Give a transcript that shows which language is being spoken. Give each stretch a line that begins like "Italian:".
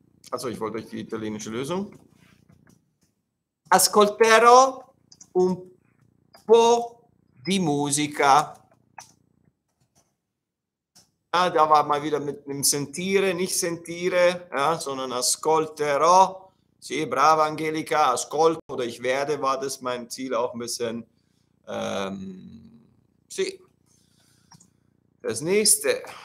German: Also ich wollte euch die italienische Lösung.
Italian: Ascolterò un po' di musica.
German: Ah, da war mal wieder mit dem Sentire, nicht Sentire, ja, sondern Ascolterò.
Italian: Sì, brava
German: Angelica, ascolto oder ich werde, war das mein Ziel auch ein bisschen. Sì. Das nächste.